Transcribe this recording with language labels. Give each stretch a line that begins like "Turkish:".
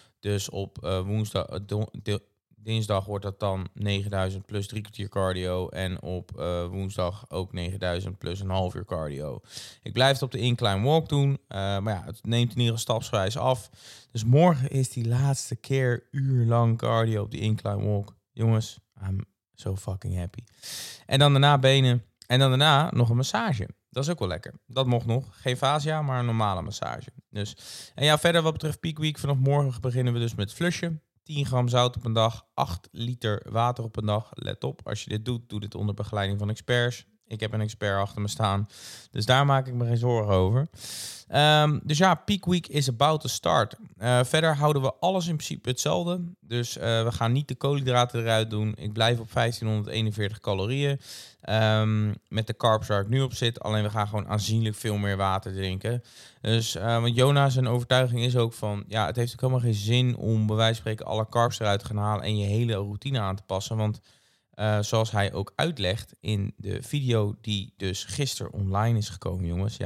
Dutch: Dus op woensdag... Dinsdag wordt dat dan 9.000 plus 3 kwartier cardio. En op woensdag ook 9.000 plus 1/2 uur cardio. Ik blijf het op de incline walk doen. Maar het neemt in ieder geval stapsgewijs af. Dus morgen is die laatste keer uurlang cardio op de incline walk.
English: Jongens, I'm so fucking happy.
Dutch: En dan daarna benen. En dan daarna nog een massage. Dat is ook wel lekker. Dat mocht nog. Geen fascia, maar een normale massage. Dus en verder wat betreft peak week. Vanaf morgen beginnen we dus met flushen. 10 gram zout op een dag, 8 liter water op een dag. Let op, als je dit doet, doe dit onder begeleiding van experts. Ik heb een expert achter me staan, dus daar maak ik me geen zorgen over.
English: Peak week is about to start.
Dutch: Verder houden we alles in principe hetzelfde. Dus we gaan niet de koolhydraten eruit doen. Ik blijf op 1541 calorieën met de carbs waar ik nu op zit. Alleen we gaan gewoon aanzienlijk veel meer water drinken. Dus want Jona zijn overtuiging is ook van, het heeft ook helemaal geen zin om bij wijze van spreken alle carbs eruit te gaan halen en je hele routine aan te passen, want zoals hij ook uitlegt in de video die dus gisteren online is gekomen, jongens.